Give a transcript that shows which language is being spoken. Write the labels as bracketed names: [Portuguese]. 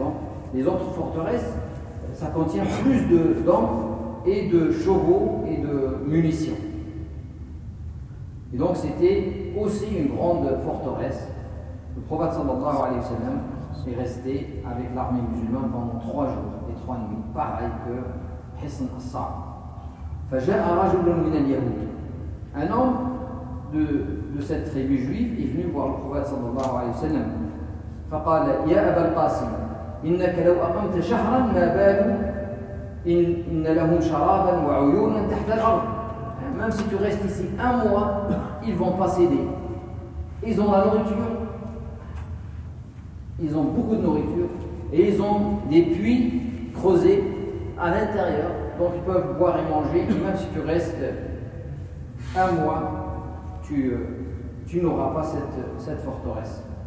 [French] Donc, les autres forteresses, ça contient plus de d'hommes et de chevaux et de munitions. Et donc, c'était aussi une grande forteresse. Le prophète sallallahu alayhi wa sallam est resté avec l'armée musulmane pendant 3 jours et 3 nuits. Pareil que [Arabic] حسن الصعب فجاء رجل من اليهود [French] un homme de cette tribu juive est venu voir le prophète sallallahu alayhi wa sallam [Arabic] فقال يا ابا القاسم انك لو اقمت شهرا ما بال ان لهم شرابا وعيونا تحت الارض [French] même si tu restes ici un mois ils vont pas céder ils ont la nourriture ils ont beaucoup de nourriture et ils ont des puits creusés à l'intérieur, donc ils peuvent boire et manger, et même si tu restes un mois, tu n'auras pas cette forteresse.